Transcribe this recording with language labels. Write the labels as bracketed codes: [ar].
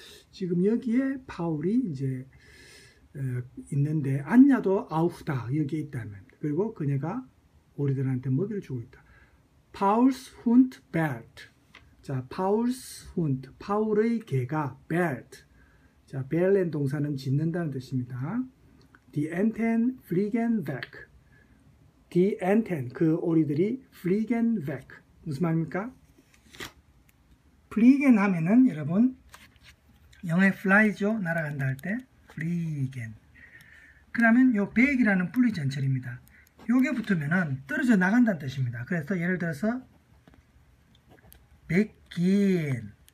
[ko] 지금 여기에 파울이 이제 있는데 안냐도 아우프다 여기에 있다면 그리고 그녀가 오리들한테 먹이를 주고 있다. 파울스 훈트 벨트. 자, 파울스 훈트. 파울의 개가 벨트. 자, 벨렌 동사는 짖는다는 뜻입니다. [de] Die Enten fliegen weg. Die Enten [ko] 그 오리들이 [de] fliegen weg. [ko] 무슨 말입니까? fliegen 하면은 여러분 영어의 fly죠. 날아간다 할 때 fliegen. 그러면 요 beg이라는 분리 전철입니다. 요게 붙으면은 떨어져 나간다는 뜻입니다. 그래서 예를 들어서 beggen.